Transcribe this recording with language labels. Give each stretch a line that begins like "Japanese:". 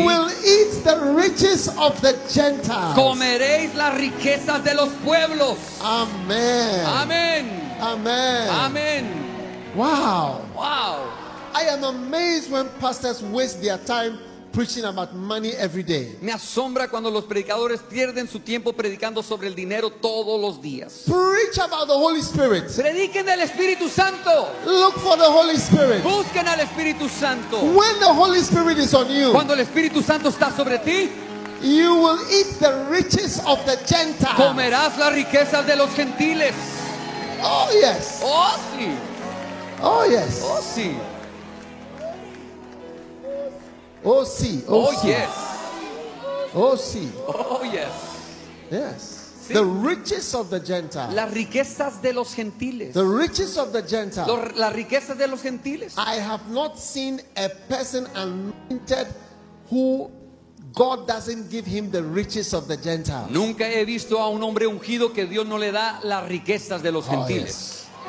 English: You will eat the riches of the Gentiles.
Spanish: Comeréis las riquezas de los pueblos. Amen. Amen. Amen. Amen. Wow. Wow.
English: I am amazed when pastors waste their time preaching about money every day.
Spanish: Me asombra cuando los predicadores pierden su tiempo predicando sobre el dinero todos los días.
English: Preach about the Holy Spirit.
Spanish: Prediquen del Espíritu Santo.
English: Look for the Holy Spirit.
Spanish: Busquen al Espíritu Santo.
English: When the Holy Spirit is on you.
Spanish: Cuando el Espíritu Santo está sobre ti.
English: You will eat the riches of the Gentiles.
Spanish: Comerás las riquezas de los gentiles.
English: Oh yes.
Spanish: Oh sí.
English: Oh yes.
Spanish: Oh sí. Oh sí. Oh,
English: oh yes.
Spanish: Oh sí.
English: Oh yes. Yes.
Spanish: Sí.
English: The riches of the Gentiles.
Spanish: Las riquezas de los gentiles.
English: The riches of the Gentiles.
Spanish: Las riquezas de los gentiles.
English: I have not seen a person anointed who God doesn't give him the riches of the Gentiles.
Spanish: Nunca he visto a un hombre ungido que Dios no le da las riquezas de los gentiles.